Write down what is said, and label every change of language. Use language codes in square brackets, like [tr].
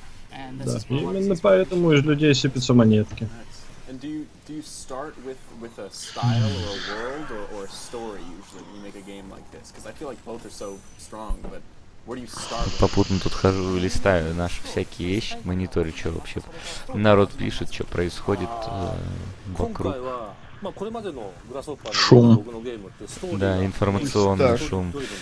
[ru] Да, именно поэтому из людей сыпятся монетки. [en] And do you start with a style or a world or a story usually when you make a game like this? Because I feel like both are so strong, but [ru] попутно тут хожу и листаю наши всякие вещи, мониторю, что вообще народ пишет, что происходит вокруг. Шум. Да, информационный шум.